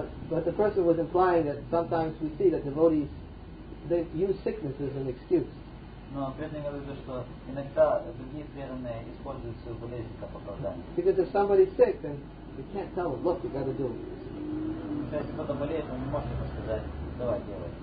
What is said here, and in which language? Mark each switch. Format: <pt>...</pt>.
<en>But the person was implying that sometimes we see that devotees they use sickness as an excuse.</en> <ru>Но преданный говорит, что иногда другие преданные используют свою болезнь как оправдание.</ru> <en>Because if somebody's sick, then you can't tell them, look, you got to do it.</en> <ru>что если кто-то болеет, он не может ему сказать, давай делай.</ru>